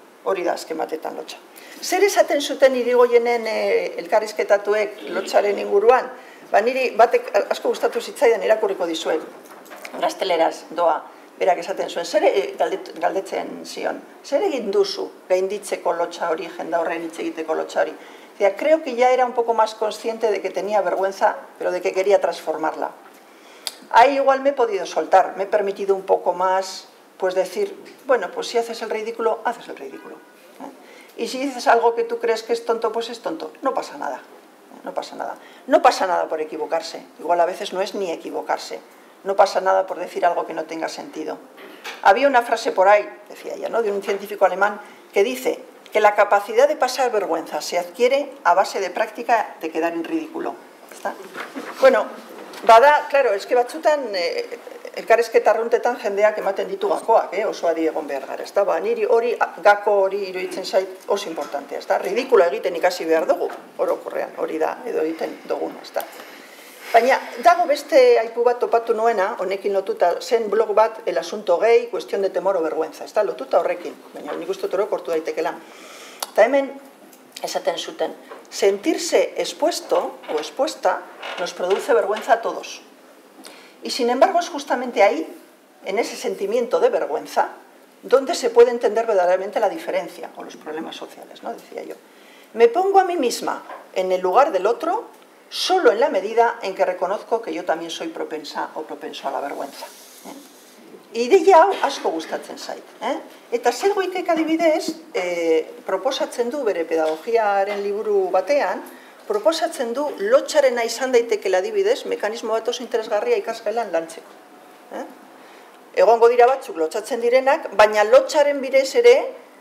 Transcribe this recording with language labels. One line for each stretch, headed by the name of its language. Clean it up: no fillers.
Basque: Hori da eskematetan lotxa. Zer esaten zuten Irigoyenen elkarrizketatuek lotxaren inguruan? Ba niri batek asko gustatu zitzaidan irakurriko dizuet. Gazteleraz doa. Berak esaten zuen, zer galdetzen zion, zer egin duzu gainditzeko lotxa hori, jenda horren hitz egiteko lotxa hori.
Spanish: Zia, creo que ya era un poco más consciente de que tenía vergüenza, pero de que quería transformarla. Ahí igual me he podido soltar, me he permitido un poco más, pues decir, bueno, pues si haces el ridículo, haces el ridículo. Y si dices algo que tú crees que es tonto, pues es tonto. No pasa nada, no pasa nada. No pasa nada por equivocarse, igual a veces no es ni equivocarse. No pasa nada por decir algo que no tenga sentido. Había una frase por ahí, decía ella, ¿no?, de un científico alemán, que dice que la capacidad de pasar vergüenza se adquiere a base de práctica de quedar en ridículo. ¿Está?
Basque: Bueno, bada, claro, es que batzutan, elkarrezketa arruntetan jendeak ematen ditu gakoak, oso adi egon behar gara.
Spanish: ¿Está?
Basque: Ba, niri hori, gako hori iruditzen zait oso importantea.
Spanish: ¿Está?
Basque: Ridículo egiten ikasi behar dugu, oro korrean, hori da, edo egiten duguna.
Spanish: ¿Está?
Basque: Baina, dago beste aipu bat topatu nuena, honekin lotuta, zen blog bat,
Spanish: el asunto gay, cuestión de temor o vergüenza,
Basque: ez da, lotuta horrekin, baina nik uste toro kortu daitekela. Eta hemen, esaten zuten,
Spanish: sentirse expuesto o expuesta nos produce vergüenza a todos. Y sin embargo, es justamente ahí, en ese sentimiento de vergüenza, donde se puede entender verdaderamente la diferencia o los problemas sociales, ¿no?, decía yo. Me pongo a mí misma en el lugar del otro, solo en la medida en que reconozco que yo también soy propensa o propenso a la vergüenza.
Basque: Ideia hau asko gustatzen zait. Eta Sedgwickek adibidez, proposatzen du bere pedagogiaren liburu batean, proposatzen du lotxarena izan daiteke adibidez, mekanismo bat oso interesgarria ikasgelan lantzeko. Egongo dira batzuk lotxatzen direnak, baina lotxaren bidez ere,